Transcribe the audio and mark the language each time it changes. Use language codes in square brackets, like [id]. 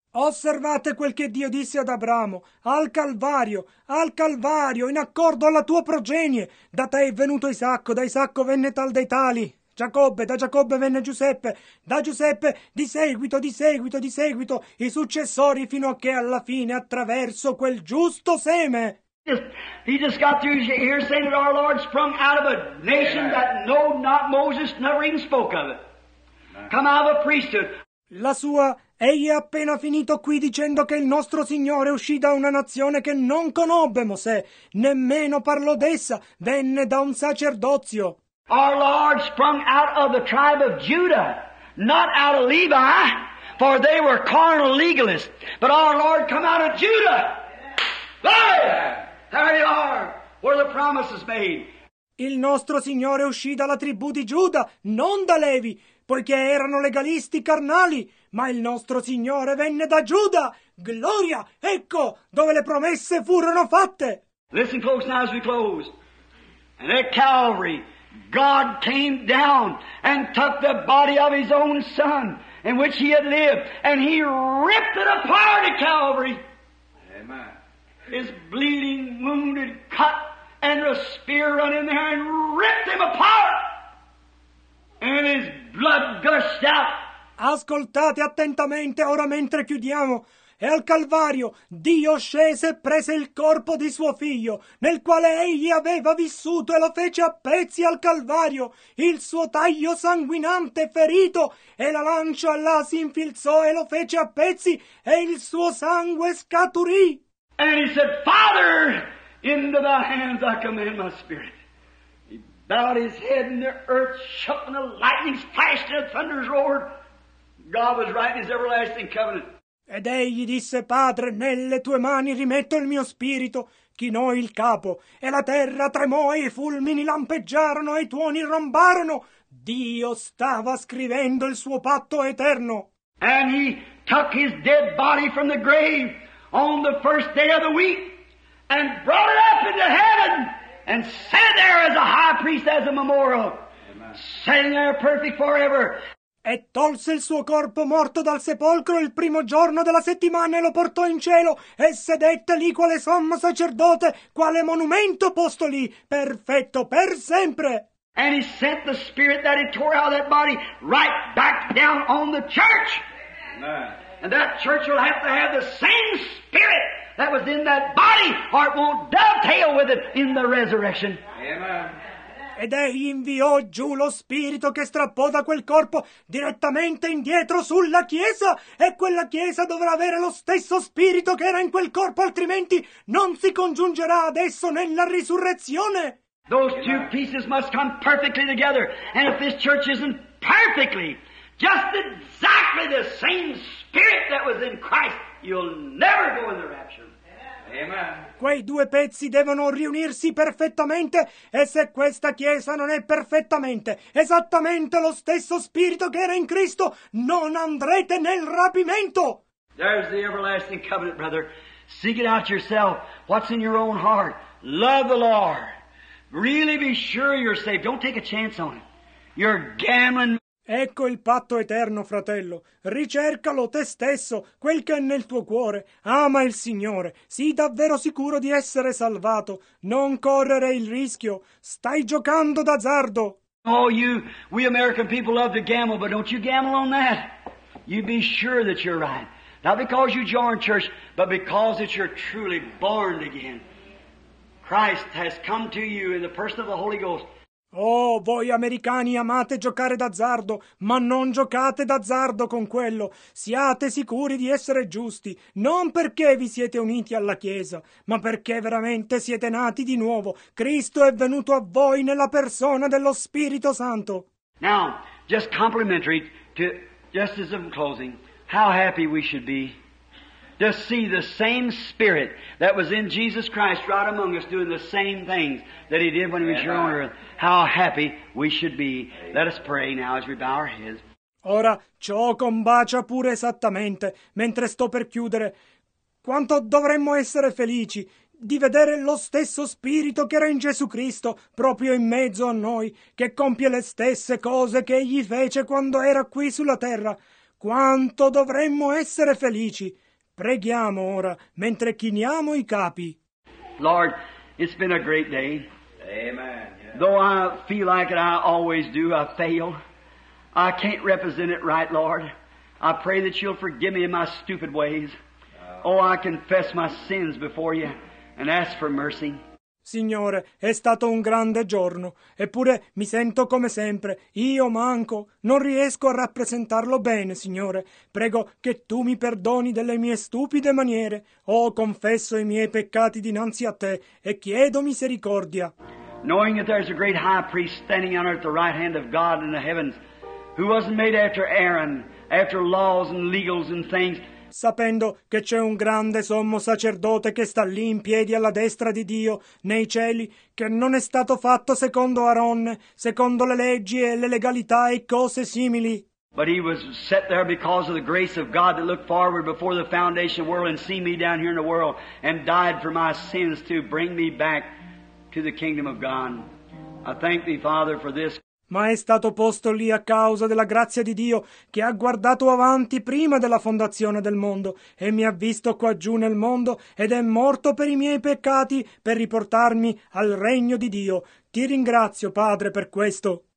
[it] Osservate quel che Dio disse ad Abramo, al Calvario, in accordo alla tua progenie, da te è venuto Isacco, da Isacco venne tal dei tali, Giacobbe, da Giacobbe venne Giuseppe, da Giuseppe di seguito, i successori fino a che alla fine attraverso quel giusto seme. [en] He just got through here saying that our Lord sprung out of a nation that know not Moses, never even spoke of it. Come out of a priesthood. [it] Egli ha appena finito qui dicendo che il nostro Signore uscì da una nazione che non conobbe Mosè, nemmeno parlò d'essa, venne da un sacerdozio. [en] Our Lord sprung out of the tribe of Judah, not out of Levi, for they were carnal legalists, but our Lord come out of Judah. There! There you are, where the promise is made. [it] Il nostro Signore uscì dalla tribù di Giuda, non da Levi, poiché erano legalisti carnali, ma il nostro Signore venne da Giuda. Gloria! Ecco dove le promesse furono fatte. [en] Listen close now as we close. And at Calvary, God came down and took the body of his own son in which he had lived, and he ripped it apart at Calvary. Amen. His bleeding, wounded, cut, and a spear run in there and ripped him apart. And his blood gushed out. [it] Ascoltate attentamente ora mentre chiudiamo. E al Calvario Dio scese e prese il corpo di suo figlio, nel quale egli aveva vissuto, e lo fece a pezzi al Calvario. Il suo taglio sanguinante ferito, e la lancia là si infilzò e lo fece a pezzi, e il suo sangue scaturì. [en] And he said, Father, into thy hands I commend my spirit. He bowed his head and the earth shook and the lightnings flashed and the thunders roared. God was writing his everlasting covenant. [it] Ed egli disse, Padre, nelle tue mani rimetto il mio spirito. Chinò il capo e la terra tremò e i fulmini lampeggiarono e i tuoni rombarono. Dio stava scrivendo il suo patto eterno. [en] And he took his dead body from the grave on the first day of the week and brought it up into heaven and sat there as a high priest, as a memorial. Amen. Sitting there perfect forever. [it] E tolse il suo corpo morto dal sepolcro il primo giorno della settimana e lo portò in cielo e sedette lì quale sommo sacerdote, quale monumento posto lì, perfetto per sempre. [en] And he sent the spirit that he tore out of that body right back down on the church. Amen. And that church will have to have the same spirit that was in that body, or it won't dovetail with it in the resurrection. Amen. [it] Ed egli inviò giù lo spirito che strappò da quel corpo direttamente indietro sulla chiesa, e quella chiesa dovrà avere lo stesso spirito che era in quel corpo, altrimenti non si congiungerà adesso nella risurrezione. [en] Those two pieces must come perfectly together, and if this church isn't perfectly, just exactly the same spirit that was in Christ, you'll never go in the rapture. Amen. [it] Quei due pezzi devono riunirsi perfettamente, e se questa chiesa non è perfettamente esattamente lo stesso spirito che era in Cristo, non andrete nel rapimento. [en] There's the everlasting covenant, brother. Seek it out yourself. What's in your own heart? Love the Lord. Really be sure you're saved. Don't take a chance on it. You're gambling. [it] Ecco il patto eterno, fratello. Ricercalo te stesso, quel che è nel tuo cuore. Ama il Signore. Sii davvero sicuro di essere salvato. Non correre il rischio. Stai giocando d'azzardo. [en] Oh, you, we American people love to gamble, but don't you gamble on that. You be sure that you're right. Not because you join church, but because that you're truly born again. Christ has come to you in the person of the Holy Ghost. [it] Oh, voi americani amate giocare d'azzardo, ma non giocate d'azzardo con quello. Siate sicuri di essere giusti, non perché vi siete uniti alla Chiesa, ma perché veramente siete nati di nuovo. Cristo è venuto a voi nella persona dello Spirito Santo. [en] Now, just complimentary to, just as I'm closing, how happy we should be to see the same Spirit that was in Jesus Christ right among us doing the same things that He did when He was here on earth. How happy we should be. Let us pray now as we bow our heads. [it] Ora, ciò combacia pure esattamente, mentre sto per chiudere, quanto dovremmo essere felici di vedere lo stesso Spirito che era in Gesù Cristo proprio in mezzo a noi, che compie le stesse cose che Egli fece quando era qui sulla terra. Quanto dovremmo essere felici! Preghiamo ora, mentre chiniamo i capi. [en] Lord, it's been a great day. Amen. Though I feel like it, I always do, I fail. I can't represent it right, Lord. I pray that You'll forgive me in my stupid ways. Oh, I confess my sins before You and ask for mercy. [it] Signore, è stato un grande giorno, eppure mi sento come sempre, io manco, non riesco a rappresentarlo bene, Signore. Prego che Tu mi perdoni delle mie stupide maniere. Oh, confesso i miei peccati dinanzi a Te e chiedo misericordia. [en] Knowing that there's a great high priest standing on earth at the right hand of God in the heavens, who wasn't made after Aaron, after laws and legals and things. [it] Sapendo che c'è un grande sommo sacerdote che sta lì in piedi alla destra di Dio, nei cieli, che non è stato fatto secondo Aaron, secondo le leggi e le legalità e cose simili. [en] But he was set there because of the grace of God that looked forward before the foundation of the world and see me down here in the world and died for my sins to bring me back to the kingdom of God. I thank Thee, Father, for this. [it] Ma è stato posto lì a causa della grazia di Dio che ha guardato avanti prima della fondazione del mondo e mi ha visto qua giù nel mondo ed è morto per i miei peccati per riportarmi al regno di Dio. Ti ringrazio, Padre, per questo.